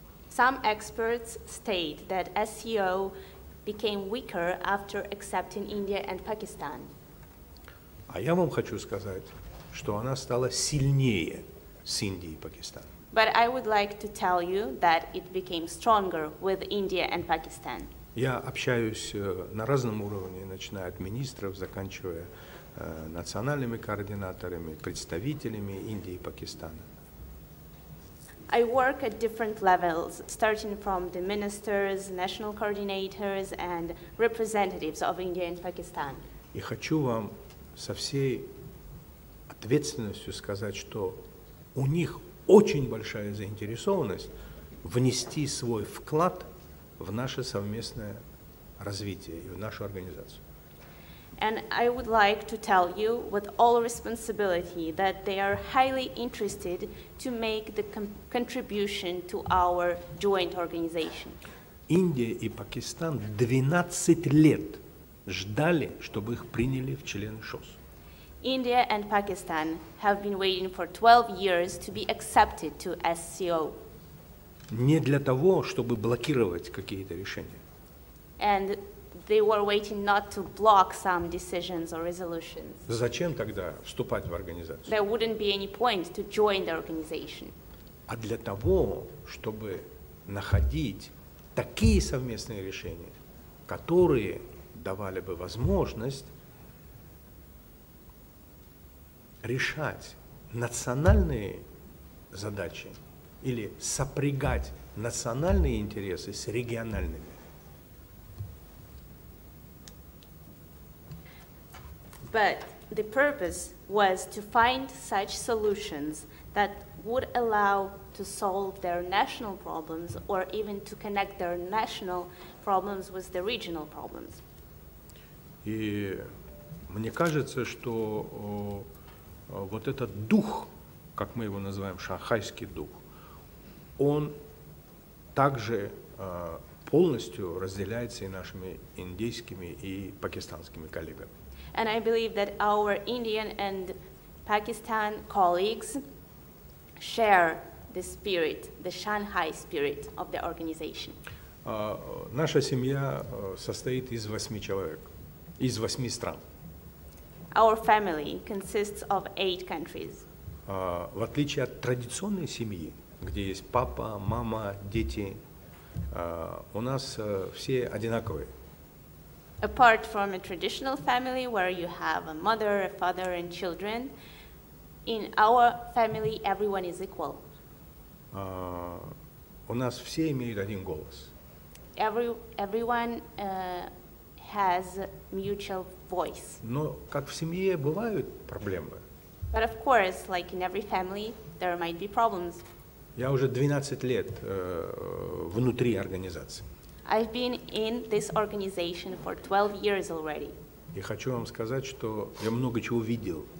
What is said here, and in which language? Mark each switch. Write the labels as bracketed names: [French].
[English] Some experts state that SCO became weaker after accepting India and Pakistan. [Russian] А я вам хочу сказать, что она стала сильнее с Индией и Пакистаном. [English] But I would like to tell you that it became stronger with India and Pakistan. [Russian] Я общаюсь на разном уровне, начиная от министров, заканчивая национальными координаторами, представителями Индии и Пакистана. [English] I work at different levels, starting from the ministers, national coordinators, and representatives of India and Pakistan. [Russian] И хочу вам со всей ответственностью сказать, что у них очень большая заинтересованность внести свой вклад в наше совместное развитие и в нашу организацию. [English] And I would like to tell you with all responsibility that they are highly interested to make the contribution to our joint organization. [Russian] Индия и Пакистан 12 лет ждали, чтобы их приняли в члены ШОС. [English] India and Pakistan have been waiting for 12 years to be accepted to SCO. [Russian] Не для того, чтобы блокировать какие-то решения. [English] And they were waiting not to block some decisions or resolutions. [Russian] Зачем тогда вступать в организацию? [English] There wouldn't be any point to join the organization. [Russian] А для того, чтобы находить такие совместные решения, которые давали бы возможность решать национальные задачи или сопрягать национальные интересы с региональными. [English] But the purpose was to find such solutions that would allow to solve their national problems or even to connect their national problems with the regional problems. [Russian] И мне кажется, что вот этот дух, как мы его называем, шанхайский дух, он также полностью разделяется и нашими индийскими и пакистанскими коллегами. [English] And I believe that our Indian and Pakistan colleagues share the spirit, the Shanghai spirit of the organization. [Russian] Наша семья состоит из 8 человек, из 8 стран. [English] Our family consists of 8 countries. [Russian] В отличие от традиционной семьи, где есть папа, мама, дети, у нас все одинаковые. [English] Apart from a traditional family where you have a mother, a father and children, in our family everyone is equal. [Russian] У нас все имеют один голос. [English] Everyone has mutual voice. [Russian] Но как в семье бывают проблемы, [English] But of course, like in every family, there might be problems. [Russian] Я уже 12 лет внутри организации. [English] I've been in this organization for 12 years already. [Russian] И хочу вам сказать, что я много чего видел.